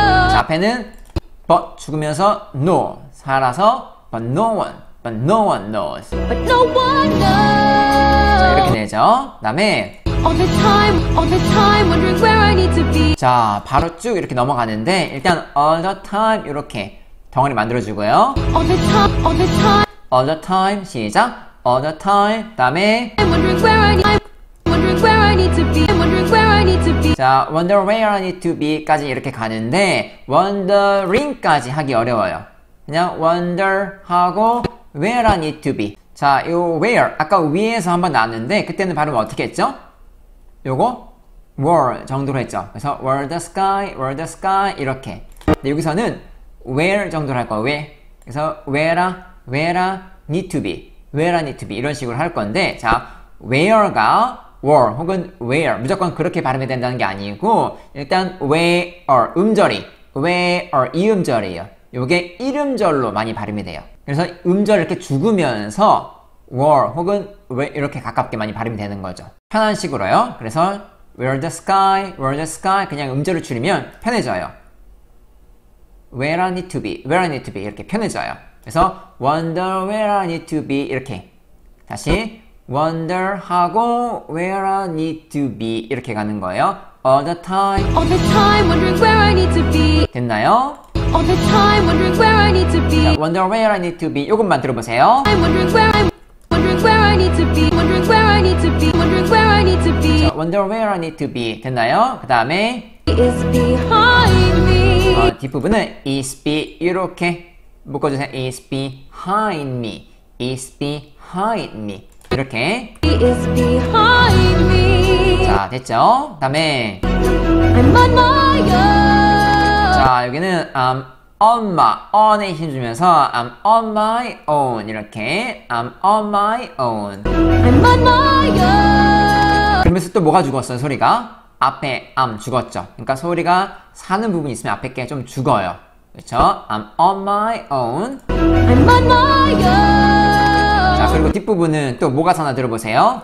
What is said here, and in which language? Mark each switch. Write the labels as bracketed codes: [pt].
[ko] 자, 앞에는 [en] but 죽으면서 no, 살아서 but no one knows. but no one knows. [ko] 되죠. 다음에 [en] all the time, all the time, wondering where I need to be. [ko] 자, 바로 쭉 이렇게 넘어가는데 일단 [en] all the time [ko] 이렇게 덩어리 만들어 주고요. [en] all the time, all the time, all the time 시작. all the time. 다음에 I'm wondering where I need, I'm wondering where I need to be, I'm wondering where I need to be. [ko] 자, [en] wonder where I need to be [ko] 까지 이렇게 가는데 wondering까지 하기 어려워요. [en] 그냥 wonder 하고 where I need to be. [ko] 자, 요 where 아까 위에서 한번 나왔는데 그때는 발음 어떻게 했죠? 요거 where 정도로 했죠. [en] 그래서 where the sky, where the sky 이렇게. [ko] 근데 여기서는 where 정도로 할 거예요. where 그래서 [en] where I need to be, [ko] where I need to be 이런 식으로 할 건데, 자, where가 where 혹은 where 무조건 그렇게 발음이 된다는 게 아니고 일단 where 음절이 where 이 음절이에요. 요게 이음절로 많이 발음이 돼요. 그래서 음절 이렇게 죽으면서 where 혹은 where 이렇게 가깝게 많이 발음이 되는 거죠. 편한 식으로요. [en] 그래서 where the sky, where the sky 그냥 음절을 줄이면 편해져요. where I need to be, where I need to be [ko] 이렇게 편해져요. 그래서 [en] wonder where I need to be 이렇게 다시 wonder 하고 where I need to be 이렇게 가는 거예요. all the time wondering where I need to be [ko] 됐나요? [en] All the time, wondering where I need to be. Wonder where I need to be. [ko] 이것만 들어보세요. [en] I'm wondering where I'm wondering where I need to be. Wondering where I need to be. Wondering where I need to be. 자, wonder where I need to be. [ko] 됐나요? 그 다음에 [en] is behind me. [ko] 뒷부분은 is be 이렇게 묶어주세요. [en] Is behind me. Is behind me. 이렇게 is behind me. [ko] 자, 됐죠? 그 다음에 [en] I'm on my own. [ko] 자, 여기는 [en] I'm on my own에 힘 주면서 I'm on my own 이렇게 I'm on my own. I'm on my own. [ko] 그러면서 또 뭐가 죽었어요? 소리가 앞에 I'm 죽었죠. 그러니까 소리가 사는 부분이 있으면 앞에 게좀 죽어요. [en] 그렇죠? I'm on my own. I'm on my own. [ko] 자, 그리고 뒷부분은 또 모가사 하나 들어보세요.